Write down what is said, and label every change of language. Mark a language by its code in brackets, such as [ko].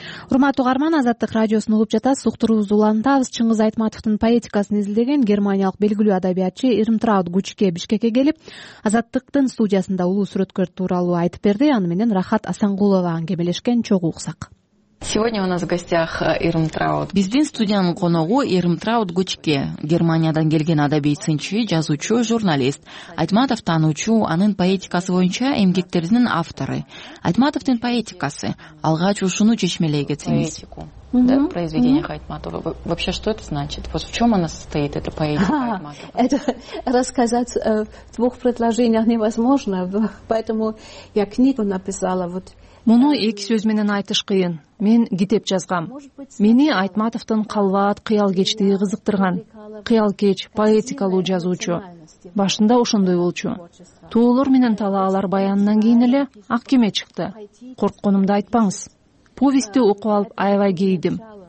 [ky] Урматтуу угарман, Азаттык радиосун угуп жатасыз. Уктуруубузду улантабыз. Чыңгыз Айтматовдун поэтикасын изилдеген германиялык белгилүү адабиятчы Ирмтрауд Гучке Бишкекке келип, Азаттыктын студиясында улуу сүрөткөр тууралуу айтып берди. Аны менен Рахат Асангулова аңгемелешкен, чогуу уксак. [ru] Сегодня у нас в гостях Ирмтрауд. [ky] Биздин студиянын коногу Ирмтрауд Гучке, Германиядан келген адабий сынчы, жазуучу, журналист, Айтматов таануучу, анын поэтикасы боюнча эмгектеринин автору. Айтматовдун поэтикасы алгач ушуну чечмелей кетсеңиз. [ru] Да, произведение Айтматова. Вообще, что это значит? Вот в чем она состоит, эта поэтика Айтматова? Это рассказать в двух предложениях невозможно, поэтому я книгу написала вот. [ky] Муну эки сөз менен айтыш кыйын. Мен китеп жазгам. Мени Айтматовдун калбаат, кыял кечтиги кызыктырган. Кыял кеч, поэтикалуу жазуучу. Башында ошондой болчу. Туулор менен талаалар баянынан кийин эле ак кеме чыкты. Коркконумду айтпаңыз. Повестти окуп алып аябай кейидим.